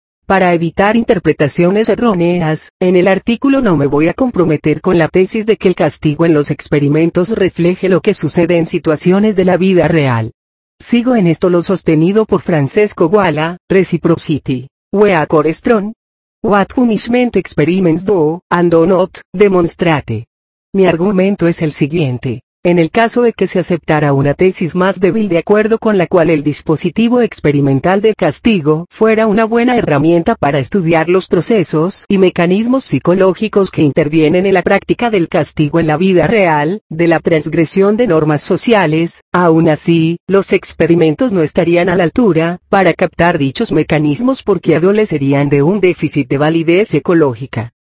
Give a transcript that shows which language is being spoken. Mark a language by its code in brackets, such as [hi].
[es] Para evitar interpretaciones erróneas, en el artículo no me voy a comprometer con la tesis de que el castigo en los experimentos refleje lo que sucede en situaciones de la vida real. Sigo en esto lo sostenido por Francesco Gualla, Reciprocity. We are corestron. [en] What punishment experiments do, and do not, demonstrate. [es] Mi argumento es el siguiente. En el caso de que se aceptara una tesis más débil de acuerdo con la cual el dispositivo experimental de castigo fuera una buena herramienta para estudiar los procesos y mecanismos psicológicos que intervienen en la práctica del castigo en la vida real, de la transgresión de normas sociales, aún así, los experimentos no estarían a la altura para captar dichos mecanismos porque adolecerían de un déficit de validez ecológica.